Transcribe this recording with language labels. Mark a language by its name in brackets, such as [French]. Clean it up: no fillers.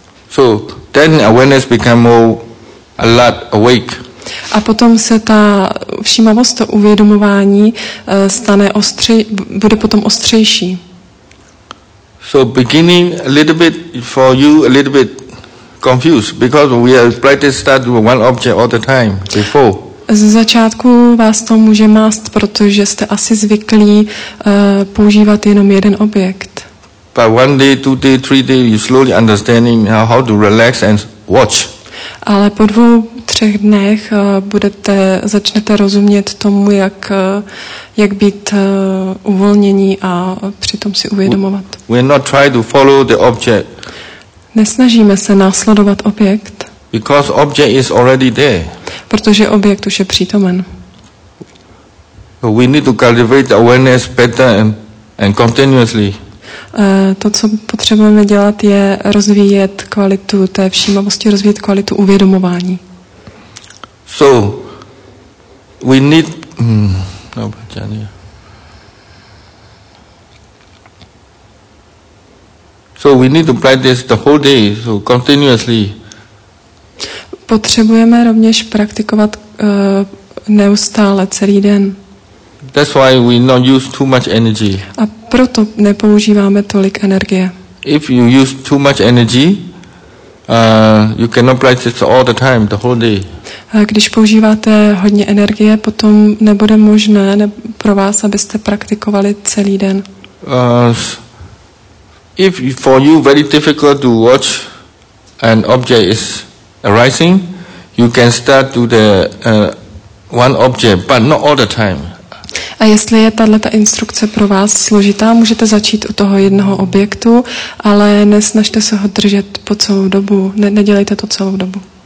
[English] So then awareness become more a lot awake. [Czech] A potom se ta všímavost, to uvědomování stane bude potom ostřejší. [English] So beginning a little bit for you a little bit confused because we are practice start with one object all the time before. [Czech] Z začátku vás to může mást, protože jste asi zvyklí používat jenom jeden objekt. [English] But one day, two day, three day, you slowly understanding how to relax and watch. [Czech] Ale po dvou, třech dnech začnete rozumět tomu, jak být uvolnění a přitom si uvědomovat. [English] We not try to follow the object. [Czech] Nesnažíme se následovat objekt. [English] Because object is already there. [Czech] Protože objekt už je přítomen. [English] We need to cultivate awareness better and continuously. [Czech] To, co potřebujeme dělat, je rozvíjet kvalitu té všímavosti, rozvíjet kvalitu uvědomování. [English] So we need no. So we need to practice the whole day, so continuously. [Czech] Potřebujeme rovněž praktikovat neustále celý den. [English] That's why we not use too much energy. [Czech] A proto nepoužíváme tolik energie. [English] If you use too much energy, you cannot practice all the time, the whole day. [Czech] A když používáte hodně energie, potom nebude možné pro vás, abyste praktikovali celý den. [English] If for you very difficult to watch an object is arising, you can start to the one object, but not all the time. [Czech] A jestli je tato instrukce pro vás složitá, můžete začít u toho jednoho objektu, ale nesnažte se ho držet po celou dobu, nedělejte to celou dobu.